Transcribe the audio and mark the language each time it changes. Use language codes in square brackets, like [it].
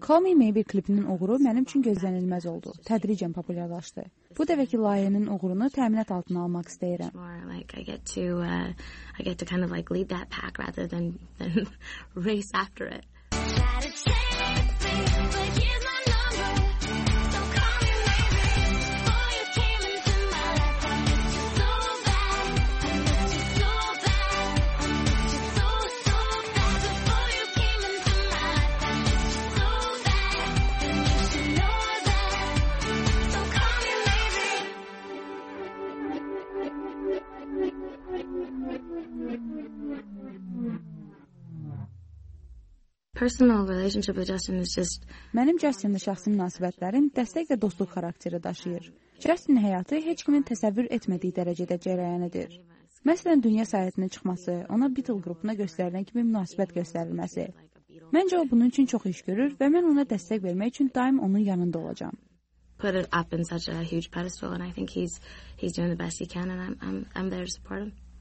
[az] Call Me Maybe klipinin uğuru mənim üçün gözlənilməz oldu. Tədricən populyarlaşdı. Bu dəfəki layihənin uğurunu təminat altına almaq istəyirəm. [en] Like I get to kind of like lead that pack rather than race after it. Personal relationship with Justin is just [az] Mənim Justin-lə şəxsi münasibətlərim dəstək və dostluq xarakteri daşıyır. Justin-in həyatı heç kimin təsəvvür etmədiyi dərəcədə cərəyan edir. Məsələn, dünya səyahətinə çıxması, ona Beatles qrupuna göstərilən kimi münasibət göstərilməsi. Məncə o bunun üçün çox iş görür və mən ona dəstək vermək üçün daim onun yanında olacağam. [en] Put it up in such a huge pedestal and I think he's doing the best he can and I'm there to support him.